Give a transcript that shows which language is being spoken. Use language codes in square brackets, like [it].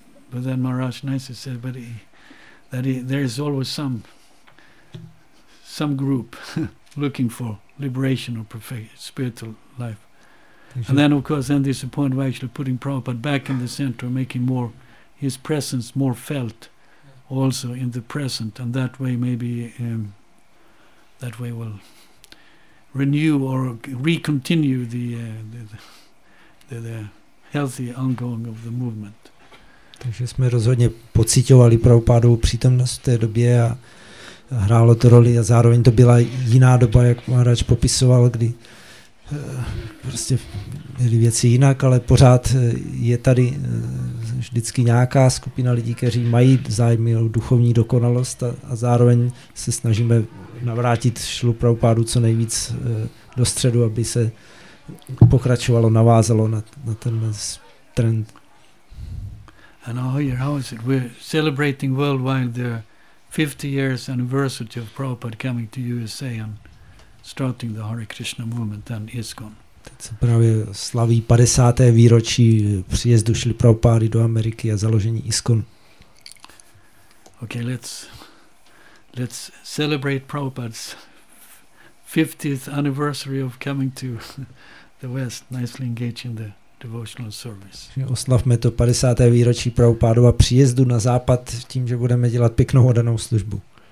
[en] But then Maharaj nicely said, there is always some group looking for liberation or perfect spiritual life, and then of course then there's a point of actually putting Prabhupada back in the center, making more his presence more felt. Also in the present, and that way maybe that way will renew or recontinue the healthy ongoing of the movement. [cs] Takže jsme rozhodně pocitovali Prabhupádovu přítomnost v té době a hrálo to roli a zároveň to byla jiná doba, jak Maharaj popisoval, kdy prostě byly věci jinak, ale pořád je tady vždycky nějaká skupina lidí, kteří mají zájmy o duchovní dokonalost a zároveň se snažíme navrátit Šrilu Prabhupádu co nejvíc do středu, aby se pokračovalo, navázalo na ten trend. [en] And all year, how is it? We're celebrating worldwide the 50 years anniversary of Prabhupada coming to USA and starting the Hare Krishna movement and ISKCON. [cs] Teď se právě slaví 50. výročí příjezdu Šrily Prabhupády do Ameriky a založení ISKCON. [en] Okay, let's celebrate Prabhupada's 50th anniversary of coming to the West, nicely engaging the devotional service. [cs] Oslavme to 50. výročí Prabhupádu a příjezdu na západ tím, že budeme dělat pěknou oddanou službu.